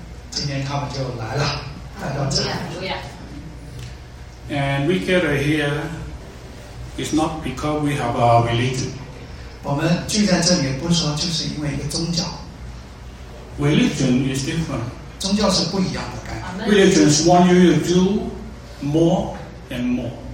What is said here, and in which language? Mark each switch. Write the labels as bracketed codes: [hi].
[zh] 今天他们就来了，来到这里。 [en] And we gather here is not because we have a religion. [zh] 我们聚在这里不是说就是因为一个宗教。Religion [en] is different. [zh] 宗教是不一样的。Religion [en] is want you to do more and more.